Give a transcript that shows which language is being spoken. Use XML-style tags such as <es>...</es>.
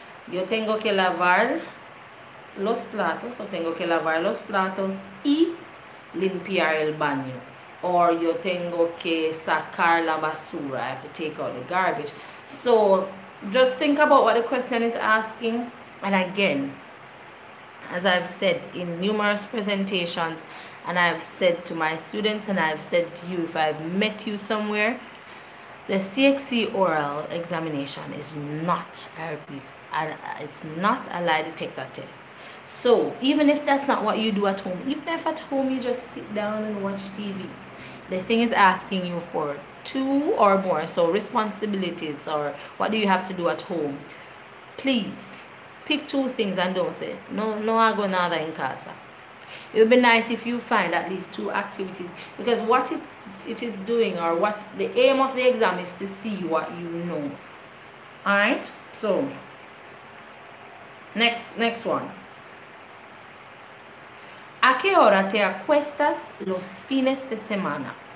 <es>Yo tengo que lavar los platos, so tengo que lavar los platos y limpiar el baño.</es> <en>Or</en> <es>yo tengo que sacar la basura,</es> <en>I have to take out the garbage. So, just think about what the question is asking. And again, as I've said in numerous presentations, and I've said to my students, and I've said to you, if I've met you somewhere, the CSEC oral examination is not, I repeat, it's not a lie detector test. So even if that's not what you do at home, even if at home you just sit down and watch TV, the thing is asking you for two or more. So responsibilities, or what do you have to do at home? Please pick two things and don't say</en> <es>no hago nada en casa.</es> <en>It would be nice if you find at least two activities, because what it is doing, or what the aim of the exam is, to see what you know. All right, so Next one.</en> <es>¿A qué hora te acuestas los fines de semana?</es>